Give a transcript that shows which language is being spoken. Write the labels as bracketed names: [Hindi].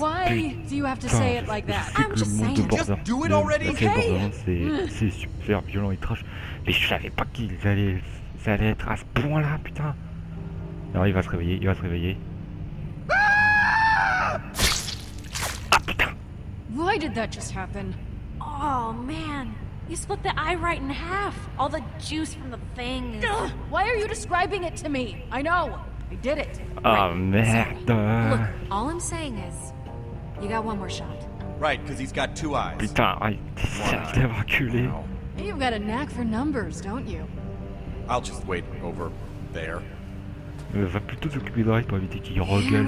[English] why do you have to say it like that? I'm just saying. Just do it already, okay? [French] C'est super violent et trash. Mais je savais pas qu'ils allaient, ça allait être à ce point là, putain. Alors il va se réveiller, Ah putain. [English] Why did that just happen? Oh man. You split the eye right in half. All the juice from the thing. Ugh. Why are you describing it to me? I know. I did it. [French] Oh, merde. [English] Look, all I'm saying is, you got one more shot. Right, because he's got two eyes. [French] Putain, il a reculé. [English] You've got a knack for numbers, don't you? I'll just wait over there. [French] Va plutôt t'occuper de l'oreille pour éviter qu'il regueule.